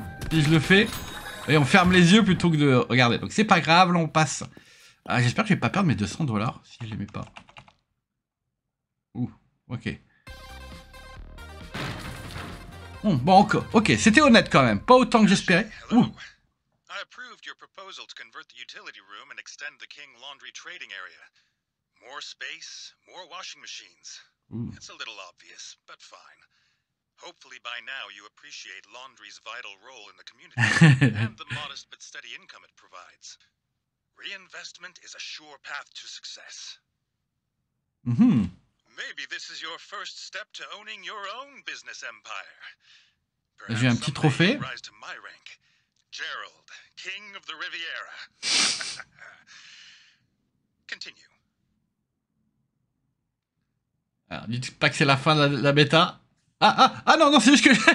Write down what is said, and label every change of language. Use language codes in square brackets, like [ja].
[fr] Si je le fais. Et on ferme les yeux plutôt que de regarder. Donc c'est pas grave, là on passe. Ah, j'espère que je vais pas perdre mes 200$ si je les mets pas. Ouh, ok. Bon, ok, c'était honnête quand même. Pas autant que j'espérais. Ouh. [en] I approved your proposal to convert the utility room and extend the King Laundry trading area. More space, more washing machines. It's a little obvious, but fine. Hopefully by now you appreciate Laundry's vital role in the community and the modest but steady income it provides. Reinvestment is a sure path to success. Maybe this is your first step to owning your own business empire. Perhaps [fr] j'ai un petit trophée. [en] You'll rise to my rank. Gerald, King of the Riviera. Continue. [fr] Alors, dites pas que c'est la fin de la bêta. Ah non, c'est juste que...